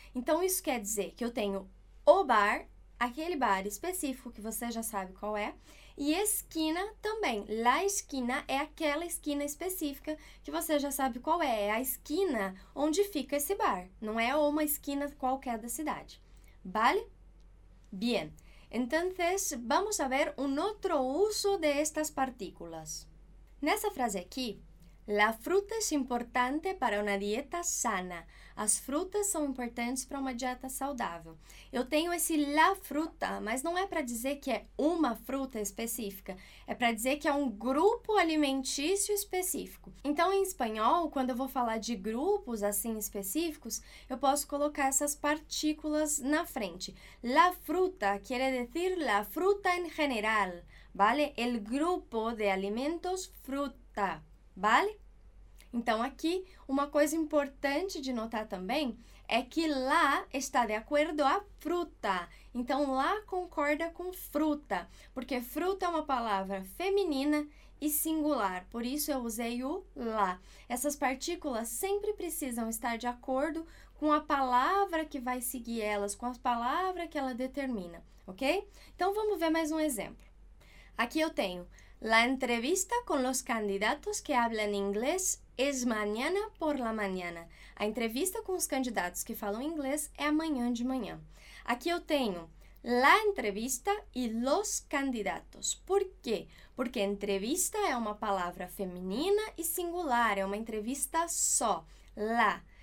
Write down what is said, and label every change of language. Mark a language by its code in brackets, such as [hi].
[pt] Então, isso quer dizer que eu tenho o bar, aquele bar específico que você já sabe qual é, e esquina também. La esquina é aquela esquina específica que você já sabe qual é. É a esquina onde fica esse bar. Não é uma esquina qualquer da cidade. [es] Vale? Bien. Entonces, vamos a ver un otro uso de estas partículas. [pt] Nessa frase aqui, [es] la fruta es importante para una dieta sana. [pt] As frutas são importantes para uma dieta saudável. Eu tenho esse la fruta, mas não é para dizer que é uma fruta específica. É para dizer que é um grupo alimentício específico. Então, em espanhol, quando eu vou falar de grupos assim específicos, eu posso colocar essas partículas na frente. [es] La fruta quiere decir la fruta en general, vale? El grupo de alimentos fruta, vale? [pt] Então, aqui, uma coisa importante de notar também é que lá está de acordo a fruta. Então, lá concorda com fruta, porque fruta é uma palavra feminina e singular. Por isso, eu usei o lá. Essas partículas sempre precisam estar de acordo com a palavra que vai seguir elas, com a palavra que ela determina, ok? Então, vamos ver mais um exemplo. Aqui eu tenho [es] la entrevista con los candidatos que hablan inglés es mañana por la mañana. [pt] A entrevista com os candidatos que falam inglês é amanhã de manhã. Aqui eu tenho la entrevista e los candidatos. Por quê? Porque entrevista é uma palavra feminina e singular, é uma entrevista só, la.